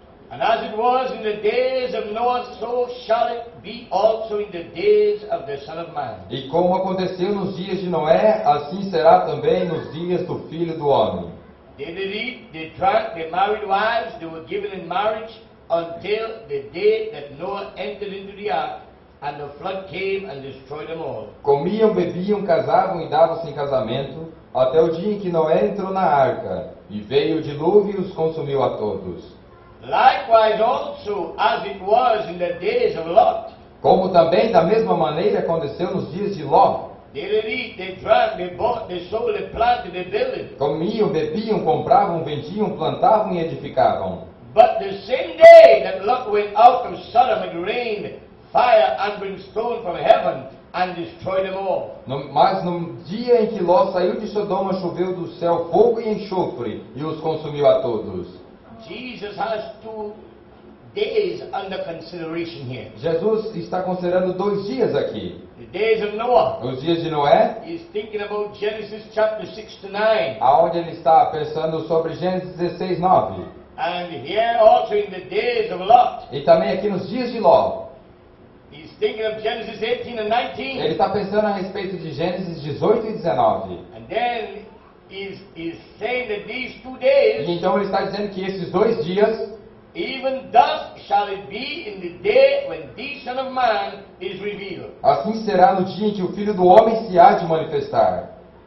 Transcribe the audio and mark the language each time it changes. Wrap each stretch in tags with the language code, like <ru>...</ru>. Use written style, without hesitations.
<en>And as it was in the days of Noah, so shall it be also in the days of the Son of Man.</en> <pt>E como aconteceu nos dias de Noé, assim será também nos dias do Filho do Homem.</pt> <en>They did eat, they drank, they married wives, they were given in marriage until the day that Noah entered into the ark, and the flood came and destroyed them all.</en> <pt>Comiam, bebiam, casavam e davam-se em casamento até o dia em que Noé entrou na arca, e veio o dilúvio e os consumiu a todos.</pt> <en>Likewise also, as it was in the days of Lot.</en> <pt>Como também da mesma maneira aconteceu nos dias de Ló.</pt> <en>They did eat, they drank, they bought, they sold, they planted, they built.</en> <pt>Comiam, bebiam, compravam, vendiam, plantavam e edificavam.</pt> <en>But the same day that Lot went out of Sodom, it rained fire and brimstone from heaven and destroyed them all.</en> <pt>Mas no dia em que Ló saiu de Sodoma, choveu do céu fogo e enxofre e os consumiu a todos.</pt> <en>Jesus has 2 days under consideration here.</en> <pt>Jesus está considerando 2 dias aqui.</pt> <en>The days of Noah.</en> <pt>Os dias de Noé.</pt> <en>He's thinking about Genesis chapter 6 to 9.</en> <pt>Aonde ele está pensando sobre Gênesis 16, 9.</pt> <en>And here also in the days of Lot.</en> <pt>E também aqui nos dias de Ló.</pt> <en>He's thinking of Genesis 18 and 19.</en> <pt>Ele está pensando a respeito de Gênesis 18 e 19.</pt> <en>And then he's saying that these 2 days.</en> <pt>E então ele está dizendo que esses 2 dias.</pt> <en>Even thus shall it be in the day when the Son of Man is revealed.</en> <pt>Assim será no dia em que o Filho do Homem se há de manifestar.</pt>